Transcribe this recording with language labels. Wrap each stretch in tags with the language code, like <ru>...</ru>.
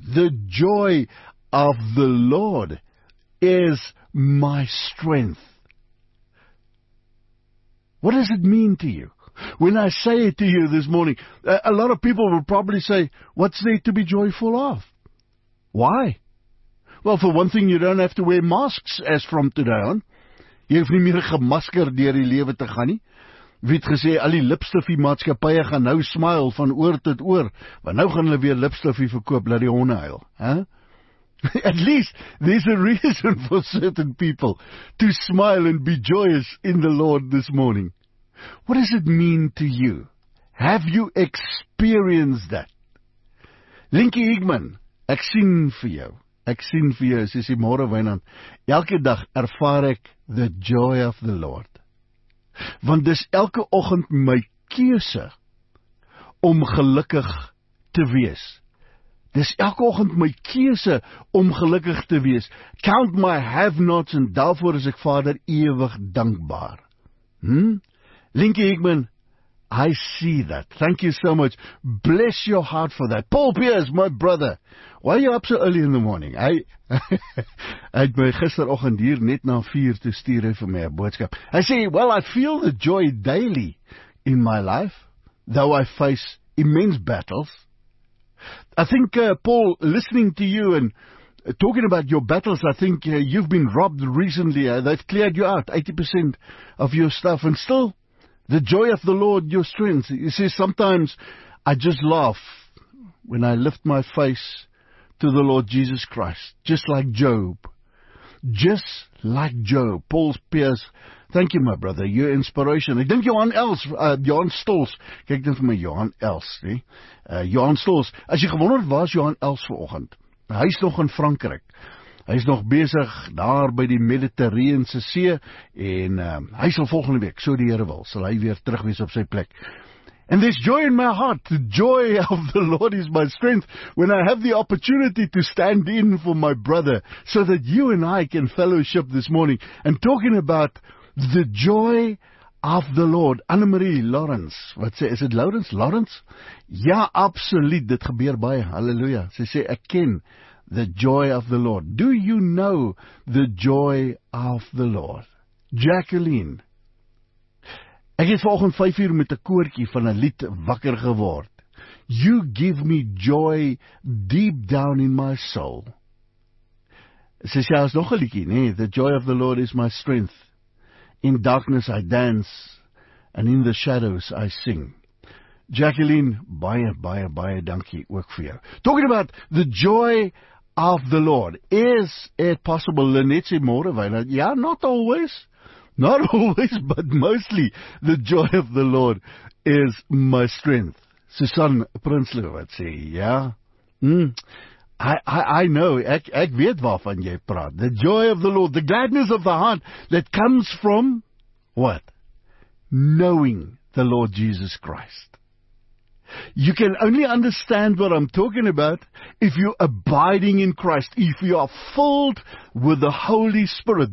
<en>The joy of the Lord is my strength. What does it mean to you? When I say it to you this morning, a lot of people will probably say, what's there to be joyful of? Why? Well, for one thing, you don't have to wear masks as from today on.</en> <af>Jy hoef nie meer gemasker deur die lewe te gaan nie. Wie het gesê, al die lipstifie maatskappye gaan nou smile van oor tot oor, want nou gaan hulle weer lipstifie verkoop, laat die honde huil. Huh?</af> <en>At least, there's a reason for certain people to smile and be joyous in the Lord this morning. What does it mean to you? Have you experienced that?</en> <af>Linkie Higman, ek sien vir jou. Ek sien vir jou, sê sy môre Wynand, elke dag ervaar ek</af> <en>the joy of the Lord.</en> <af>Want dis elke oggend my keuse om gelukkig te wees. Dis elke oggend my keuse om gelukkig te wees.</af> <en>Count my have-nots</en> <af>en daarvoor is ek Vader ewig dankbaar.</af> <en>Linkie Higman, I see that. Thank you so much. Bless your heart for that. Paul Pierce, my brother. Why are you up so early in the morning?</en> <af>Hy het my gisteroggend hier net na 4 te stuur vir my 'n boodskap. Hy sê,</af> <en>well, I feel the joy daily in my life, though I face immense battles. I think, Paul, listening to you and talking about your battles, I think you've been robbed recently. They've cleared you out, 80% of your stuff, and still, the joy of the Lord, your strength. You see, sometimes I just laugh when I lift my face to the Lord Jesus Christ, just like Job. Just like Job. Paul Pierce, thank you, my brother. Your inspiration. I think Johan Els, Johan Stols.</en> <af>Kijk dan vir my, Johan Els. Johan Stols. As jy gewonder, waar is Johan Els vanoggend? Hy is nog in Frankryk. Hy is nog besig daar by die Mediterrane See en hy sal volgende week, so die Here wil, sal hy weer terug wees op sy plek.</af> <en>And there's joy in my heart. The joy of the Lord is my strength when I have the opportunity to stand in for my brother so that you and I can fellowship this morning. And talking about the joy of the Lord, Anne-Marie Lawrence,</en> <af>wat sê,</af> <en>is it Lawrence? Lawrence?</en> <af>Ja, absoluut, dit gebeur baie, halleluja. Sy sê, ek ken</af> <en>the joy of the Lord. Do you know the joy of the Lord? Jacqueline.</en> <af>Ek het vanoggend 5 uur met 'n koortjie van 'n lied wakker geword.</af> <en>You give me joy deep down in my soul.</en> <af>Sy sê, is nog 'n liedjie, nee?</af> <en>The joy of the Lord is my strength. In darkness I dance, and in the shadows I sing.</en> <af>Jacqueline, baie, baie, baie dankie ook vir jou.</af> <en>Talking about the joy of the Lord. Is it possible, Lynette sê more of it? Yeah, not always. Not always, but mostly the joy of the Lord is my strength.</en> <af>Susan Prinsloo, wat sê, yeah.</af> <en>I know,</en> <af>ek weet waarvan jy praat.</af> <en>The joy of the Lord, the gladness of the heart that comes from, what? Knowing the Lord Jesus Christ. You can only understand what I'm talking about if you're abiding in Christ, if you are filled with the Holy Spirit.</en>